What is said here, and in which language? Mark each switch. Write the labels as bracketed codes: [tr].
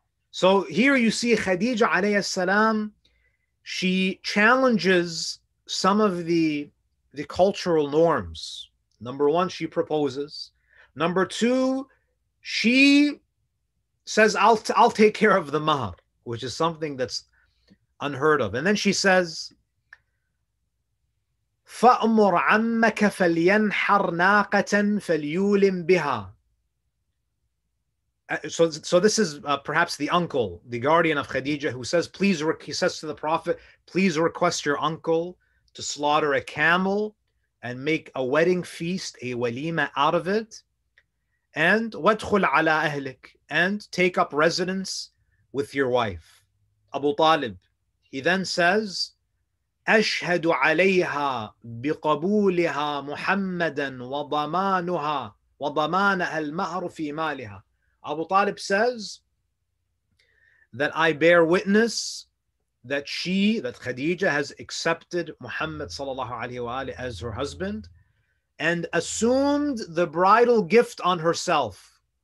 [en] So here you see Khadija alayhi salam, she challenges some of the cultural norms. Number one, she proposes. Number two, she says, I'll take care of the mahar, which is something that's unheard of. And then she says, [ar] فَأْمُرْ عَمَّكَ فَلْيَنْحَرْ نَاقَةً فَلْيُولِمْ بِهَا. [en] So this is perhaps the uncle, the guardian of Khadija, who says, he says to the Prophet, please request your uncle to slaughter a camel and make a wedding feast, a walima, out of it. And [ar] وَدْخُلْ عَلَىٰ أَهْلِكَ, [en] and take up residence with your wife. [ar] Abu Talib, [en] he then says, [ar] أَشْهَدُ عَلَيْهَا بِقَبُولِهَا مُحَمَّدًا وَضَمَانُهَا وَضَمَانَهَا الْمَهْرُ فِي مَالِهَا. [en] Abu Talib says that I bear witness that she, that Khadija, has accepted Muhammad sallallahu alayhi wa alayhi as her husband and assumed the bridal gift on herself.